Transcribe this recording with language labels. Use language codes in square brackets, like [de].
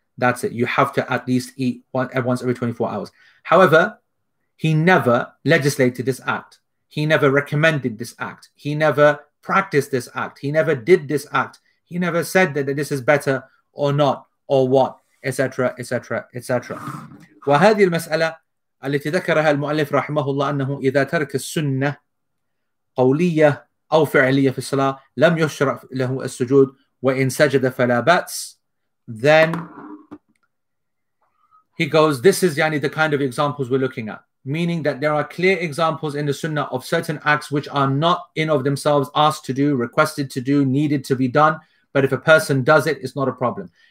[en] That's it. You have to at least eat once every 24 hours. However, he never legislated this act. He never recommended this act. He never practiced this act. He never did this act. He never said that this is better or not or what, etc., etc., etc. [ar] وهذه المسألة التي ذكرها المؤلف رحمه الله أنه إذا ترك السنة قولية أو فعلية في الصلاة لم يشرع له السجود وإن سجد فلا بأس. [en] Then he goes, this is yani the kind of examples we're looking at, meaning that there are clear examples in the sunnah of certain acts which are not in of themselves asked to do, requested to do, needed to be done, but if a person does it, it's not a problem.